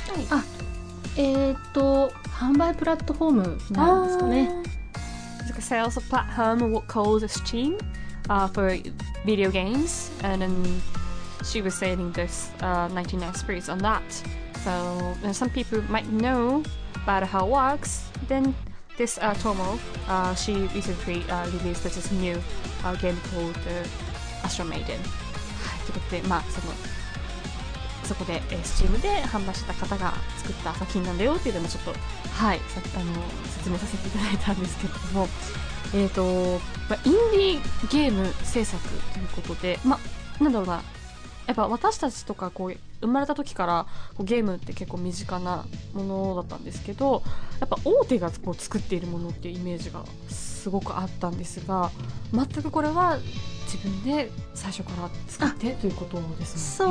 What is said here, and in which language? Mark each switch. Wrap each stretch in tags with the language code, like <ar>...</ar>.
<ja>はい、販売プラットフォームなんですかね。</ja> <en>It's like a sales platform called Steam、for video games, and then she was selling this 99 Spirits on that. So some people might know about how it works. Then this Tomo, she recently released this new game called Astro Maiden.</en> <ja>ということで、まあ、そこで、Steam で販売した方が作った作品なんだよっていうのもちょっと。はい、説明させていただいたんですけれども、インディーゲーム制作ということで、ま、なんだろうな、やっぱ私たちとかこう生まれた時からこうゲームって結構身近なものだったんですけど、やっぱ大手がこう作っているものっていうイメージがすごくあったんですが、全くこれは自分で最初から作ってということですね。</ja>